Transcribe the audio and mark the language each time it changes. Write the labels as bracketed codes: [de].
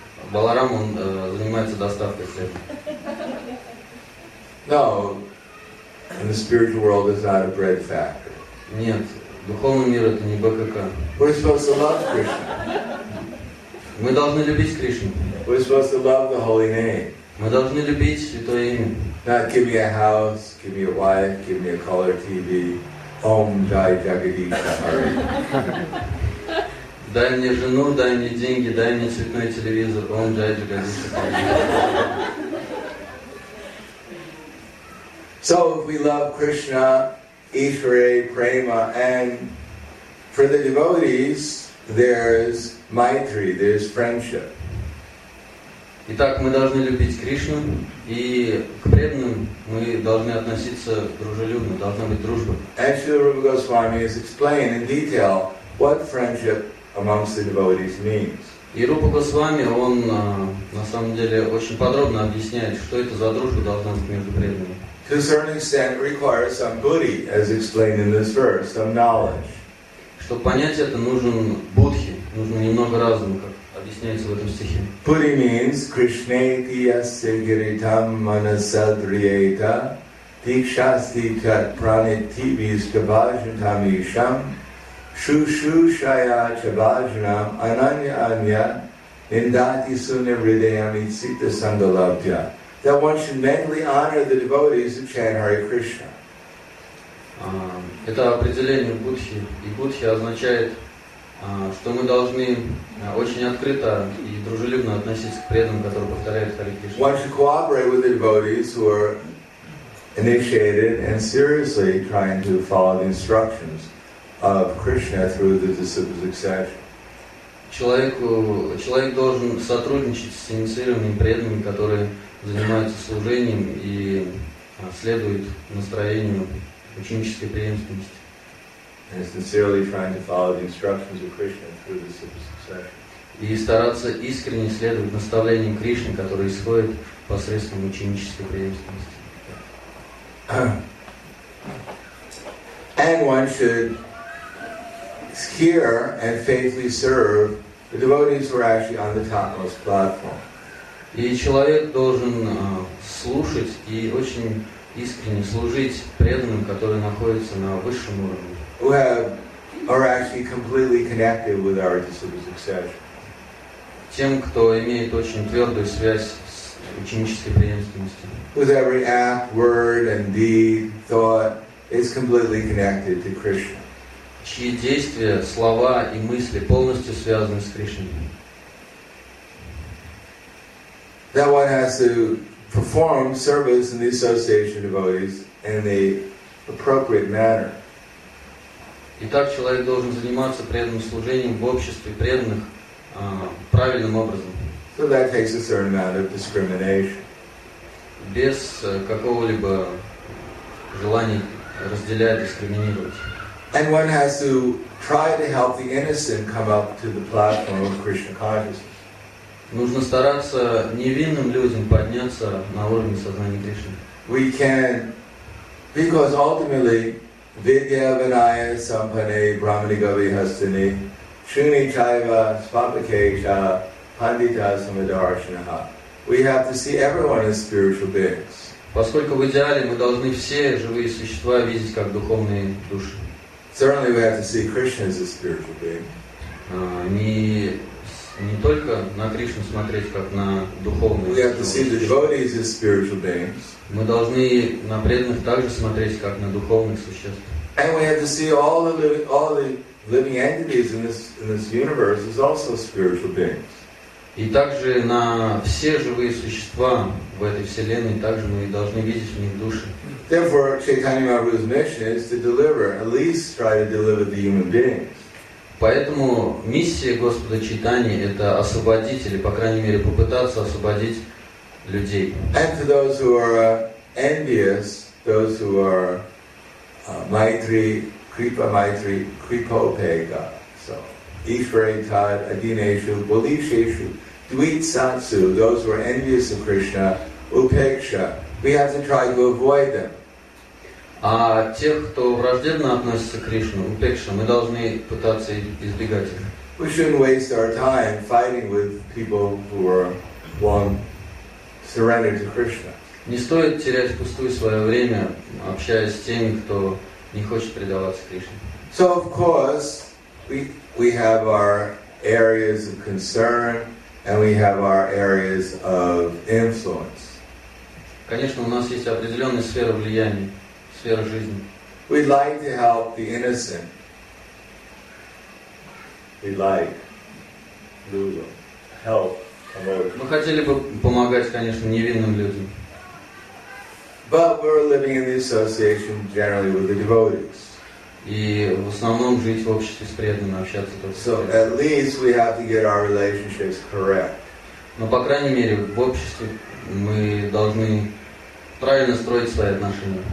[ru] Баларам, он занимается доставкой хлеба. [en] No, in the spiritual world is not a bread factor. [ru] Нет, духовный мир это не БКК. [en] We're supposed to love Krishna. [ru] Мы должны любить Кришну. [en] We're supposed to love the holy name. [ru] Мы должны любить святое имя. [en] Not give me a house, give me a wife, give me a color TV. [sa] Om Jai Jagadish Hari. [ru] Дай мне жену, дай мне деньги, дай мне цветной телевизор. [sa] Om Jai Jagadish Hari. [en] So if we love Krishna, Ishvara, Prema, and for the devotees, there's Maitri, there's friendship. [ru] Итак, мы должны любить Кришну, и к преданным мы должны относиться дружелюбно, должна быть дружба. [en] And Śrīla Rūpa Gosvāmī has explained in detail what friendship amongst the devotees means. [ru] И Рупа Госвами, он на самом деле очень подробно объясняет, что это за дружба должна быть между преданными. [en] To a certain extent requires some buddhi, as explained in this verse, some knowledge. [ru] Чтобы понять это, нужен будхи, нужно немного разума, как объясняется в этом стихе. [en] Buddhi means [sa] Krishneti yasya giritam manasadriyeta dikshasti tat pranitivis kabhajantam isham shushushaya chabhajanam ananya anya indati sunya hridayam itsita sangalabhya. [en] That one should mentally honor the devotees and chant Hare Krishna. [ru] Это определение будхи. И будхи означает, что мы должны очень открыто и дружелюбно относиться к преданным, которые повторяют Hare Krishna. [en] One should cooperate with the devotees who are initiated and seriously trying to follow the instructions of Krishna through the disciples' succession. [ru] Человек должен сотрудничать с инициированными преданными, которые занимаются служением и следуют настроению ученической преемственности. [en] And sincerely trying to follow the instructions of Krishna through the disciples' succession. [ru] И стараться искренне следовать наставлениям Кришны, которые исходят посредством ученической преемственности. [en] And one should hear and faithfully serve the devotees who are actually on the topmost platform. [ru] И человек должен слушать и очень искренне служить преданным, которые находятся на высшем уровне. [en] Who are actually completely connected with our disciples' succession. [ru] Тем, кто имеет очень твердую связь с ученической преемственностью. [en] With every act, word, and deed, thought is completely connected to Krishna. [ru] Чьи действия, слова и мысли полностью связаны с Кришной. [en] That one has to perform service in the association of devotees in the appropriate manner. [ru] Итак, человек должен заниматься преданным служением в обществе преданных правильным образом. [en] So that takes a certain amount of discrimination. [ru] Без какого-либо желания разделять, дискриминировать. [en] And one has to try to help the innocent come up to the platform of Krishna consciousness. [ru] Нужно стараться невинным людям подняться на уровень сознания Кришны. [en] We can, because ultimately, [sa] Vidya Vinaya Sampane Brahmani Gavi Hastini Shuni Chaiva Svapakesha Pandita Samadarshanaha. [en] We have to see everyone as spiritual beings. [ru] Поскольку в идеале мы должны все живые существа видеть как духовные души. [en] Certainly we have to see Krishna as a spiritual being. [ru] Не только на Кришну смотреть, как на духовную. [en] We have to see the devotees as spiritual beings. [ru] Мы должны на преданных также смотреть, как на духовных существ. [en] And we have to see all the living entities in this universe as also spiritual beings. [ru] И также на все живые существа в этой вселенной также мы должны видеть в них души. [en] Therefore, Chaitanya Mahaprabhu's mission is to deliver, at least try to deliver the human beings. [ru] Поэтому миссия Господа Чайтаньи – это освободить, или, по крайней мере, попытаться освободить людей. [en] And to those who are envious, those who are Maitri, [sa] Kripa Maitri, Kripopeka, so, Ishvari Tad, Adineshu, Bolisheshu, Dvitsatsu, [en] those who are envious of Krishna, Upeksha, we have to try to avoid them. [ru] А тех, кто враждебно относится к Кришне, упекша, мы должны пытаться избегать их. [en] We shouldn't waste our time fighting with people who are one surrendered to Krishna. [ru] Не стоит терять пустую свое время, общаясь с теми, кто не хочет предаваться Кришне. [en] So of course we have our areas of concern and we have our areas of influence. [ru] Конечно, у нас есть определенные сферы влияния. [en] We'd like to help the innocent. We'd like to help others. [ru] Мы хотели бы помогать, конечно, невинным людям. But we're living in the association generally with the devotees. И в основном жить в обществе с преданными, общаться только с преданными. [en] So at least we have to get our relationships correct. [ru] Но по крайней мере в обществе мы должны правильно строить свои отношения.